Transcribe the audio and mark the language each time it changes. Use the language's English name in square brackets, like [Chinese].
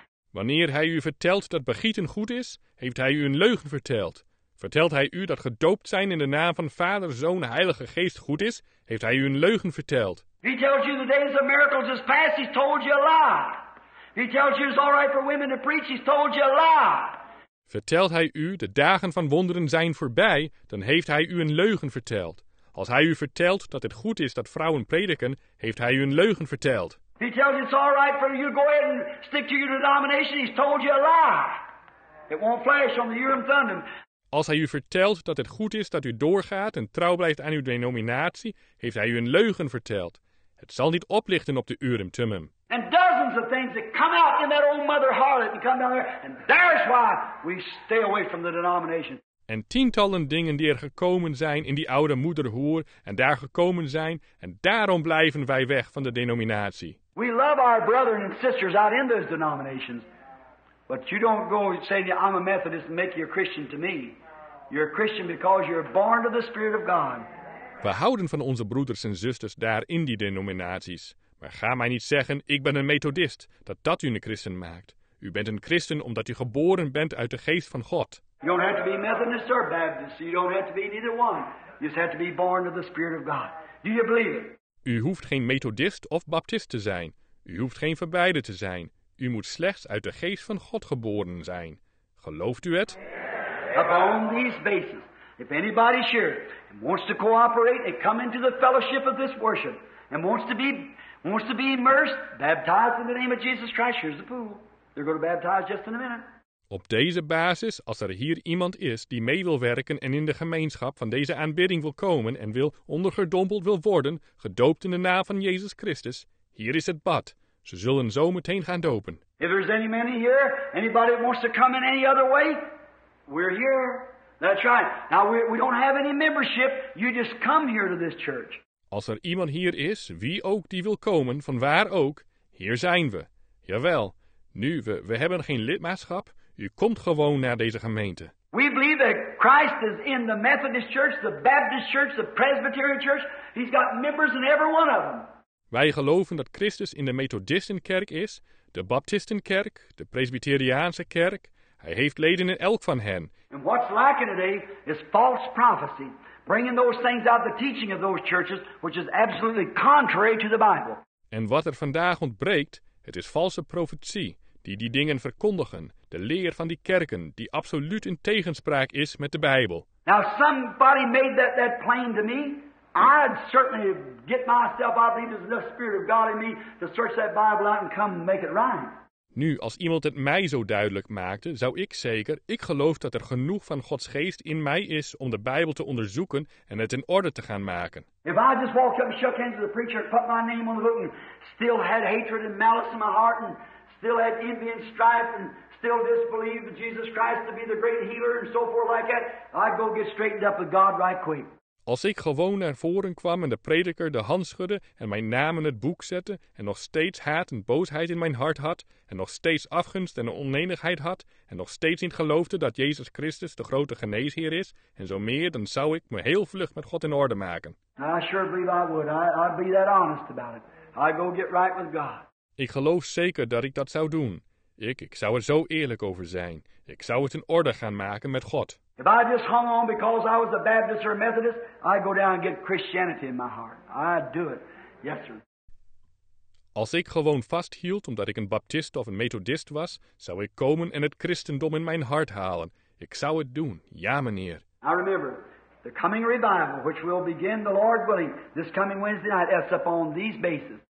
[Dutch] Wanneer hij u vertelt dat begieten goed is, heeft hij u een leugen verteld. Vertelt hij u dat gedoopt zijn in de naam van Vader, Zoon, Heilige Geest goed is, heeft hij u een leugen verteld. [English] He tells you the days of miracles is past, he's told you a lie. He tells you it's all right for women to preach, he's told you a lie. [Dutch] Vertelt hij u de dagen van wonderen zijn voorbij, dan heeft hij u een leugen verteld. Als hij u vertelt dat het goed is dat vrouwen prediken, heeft hij u een leugen verteld. [English] He tells you it's all right for you to go ahead and stick to your denomination, he's told you a lie. It won't flash on the Urim Thummim. [Dutch] Als hij u vertelt dat het goed is dat u doorgaat en trouw blijft aan uw denominatie, heeft hij u een leugen verteld. Het zal niet oplichten op de Urim Thummim. [English] And dozens of things that come out in that old mother harlot and come down there, and that's why we stay away from the denomination. [Dutch] En tientallen dingen die er gekomen zijn in die oude moederhoer en daar gekomen zijn, en daarom blijven wij weg van de denominatie. [English] We love our brothers and sisters out in those denominations. But you don't go and say, I'm a Methodist and make you a Christian to me. You're a Christian because you're born of the Spirit of God. [Dutch] We houden van onze broeders en zusters daar in die denominaties. Maar ga mij niet zeggen, ik ben een Methodist, dat u een Christen maakt. U bent een Christen omdat u geboren bent uit de Geest van God. [English] You don't have to be Methodist or Baptist. You don't have to be neither one. You just have to be born of the Spirit of God. Do you believe it? [Dutch] U hoeft geen Methodist of Baptist te zijn. U hoeft geen van beide te zijn. U moet slechts uit de Geest van God geboren zijn. Gelooft u het? [English] Upon these bases, if anybody here wants to cooperate and come into the fellowship of this worship and wants to be immersed, baptized in the name of Jesus Christ, here's the pool. They're going to baptize just in a minute. [Dutch] Op deze basis, als er hier iemand is die mee wil werken en in de gemeenschap van deze aanbidding wil komen en wil ondergedompeld wil worden, gedoopt in de naam van Jezus Christus, hier is het bad. Ze zullen zo meteen gaan dopen. [English] If there's any man in here, anybody that wants to come in any other way, we're here. That's right. Now we don't have any membership. You just come here to this church. [Dutch] Als er iemand hier is, wie ook die wil komen, van waar ook, hier zijn we. Jawel. Nu we hebben geen lidmaatschap. U komt gewoon naar deze gemeente. [English] We believe that Christ is in the Methodist Church, the Baptist Church, the Presbyterian Church. He's got members in every one of them. [Dutch] Wij geloven dat Christus in de Methodistenkerk is, de Baptistenkerk, de Presbyteriaanse kerk. Hij heeft leden in elk van hen. [English] And what's lacking today is false prophecy, bringing those things out the teaching of those churches, which is absolutely contrary to the Bible. [Dutch] En wat er vandaag ontbreekt, het is valse profetie, die dingen verkondigen, de leer van die kerken, die absoluut in tegenspraak is met de Bijbel. [English] Now somebody made that plain to me. I'd certainly get myself out of the Spirit of God in me to search that Bible out and come make it right. [Dutch] Nu, als iemand het mij zo duidelijk maakte, zou ik zeker, ik geloof dat er genoeg van Gods geest in mij is om de Bijbel te onderzoeken en het in orde te gaan maken. [English] If I just walked up and shook hands with the preacher and put my name on the book and still had hatred and malice in my heart and still had envy and strife and still disbelieved in Jesus Christ to be the great healer and so forth like that, I'd go get straightened up with God right quick. [Dutch] Als ik gewoon naar voren kwam en de prediker de hand schudde en mijn naam in het boek zette en nog steeds haat en boosheid in mijn hart had en nog steeds afgunst en onenigheid had en nog steeds niet geloofde dat Jezus Christus de grote geneesheer is en zo meer, dan zou ik me heel vlug met God in orde maken. [English] I sure believe I would. I'd be that honest about it. I'd go get right with God. [Dutch] Ik geloof zeker dat ik dat zou doen. Ik zou er zo eerlijk over zijn. Ik zou het in orde gaan maken met God. [English] If I just hung on because I was a Baptist or a Methodist, I'd go down and get Christianity in my heart. I'd do it. Yes, sir. [Dutch] Als ik gewoon vasthield omdat ik een Baptist of een Methodist was, zou ik komen en het Christendom in mijn hart halen. Ik zou het doen. Ja, meneer. [English] I remember the coming revival, which will begin, the Lord willing, this coming Wednesday night, that's upon these bases.